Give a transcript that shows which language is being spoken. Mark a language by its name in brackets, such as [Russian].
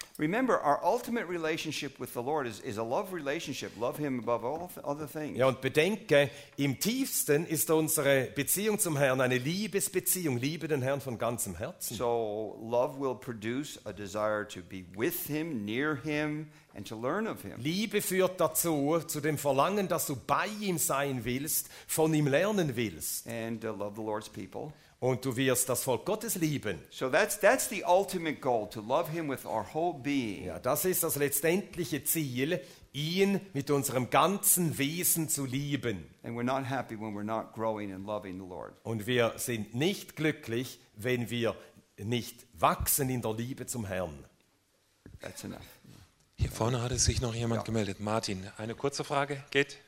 [English] Remember, our ultimate relationship with the Lord is a love relationship. Love him above all other things. [German] Ja, und bedenke, im tiefsten ist unsere Beziehung zum Herrn eine Liebesbeziehung. Liebe den Herrn von ganzem Herzen. [English] So love will produce a desire to be with him, near him, and to learn of him. [German] Liebe führt dazu, zu dem Verlangen, dass du bei ihm sein willst, von ihm lernen willst. [English] And love the Lord's people. [German] Und du wirst das Volk Gottes lieben. [English] So that's the ultimate goal, to love him with our whole being. [German] Ja, das ist das letztendliche Ziel, ihn mit unserem ganzen Wesen zu lieben. [English] And we're not happy when we're not growing and loving the Lord. [German] Und wir sind nicht glücklich, wenn wir nicht wachsen in der Liebe zum Herrn. [English] That's enough. [German] Hier vorne hatte sich noch jemand gemeldet. Martin, eine kurze Frage geht?